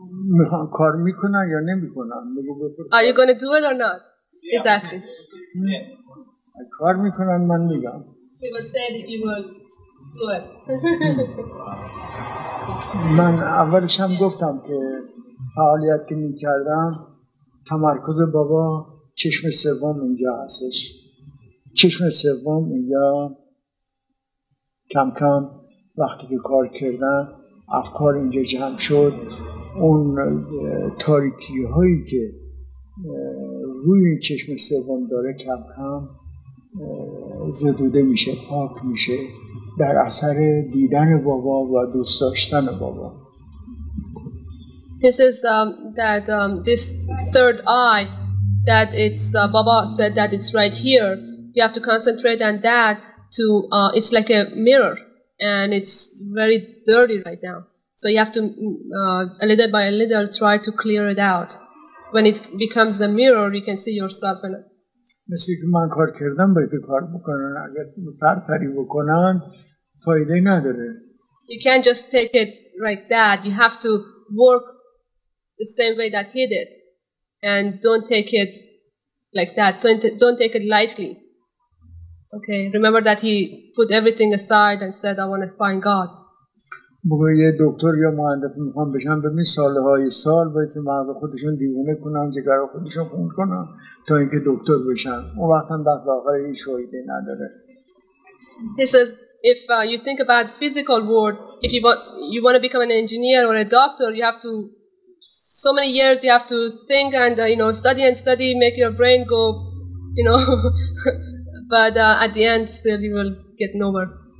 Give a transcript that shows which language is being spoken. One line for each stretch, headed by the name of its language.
Persian: می‌خوام کار می‌کنن یا نمی‌کنن
English: Are you going to do it or not? He's asking.
Persian: کار می‌کنن من میگم
English: He was saying if you will do it.
Persian: من اولش هم گفتم که فعالیت که می کردم تمرکز بابا چشم سوم اینجا هستش چشم سوم اینجا کم کم وقتی که کار کردم افکار اینجا جمع شد اون تاریکی هایی که روی چشم سوم داره کم کم زدوده میشه پاک میشه در اثر دیدن بابا و دوست داشتن بابا
English: He says that this third eye, that it's Baba said that it's right here. You have to concentrate on that. It's like a mirror. and it's very dirty right now. So you have to, a little by a little, try to clear it out. When it becomes a mirror, you can see yourself in it.
Persian: مثل که من کار کردم باید کار بکنن اگر فرفری بکنن فایده نداره
English: You can't just take it like that. You have to work the same way that he did and don't take it like that. Don't take it lightly. Okay, remember that he put everything aside and said, I want to find God.
Persian: بگو یه دکتر یا مهندس میخوام بشن به مثال های سال باید مغز خودشون دیوونه کنن جگر خودشون خون کنن تا اینکه دکتر بشن اون وقتا دست آخر هیچ شایده نداره
English: He says if you think about physical world if you want to become an engineer or a doctor you have to so many years you have to think and you know study make your brain go you know but at the end still you will get nowhere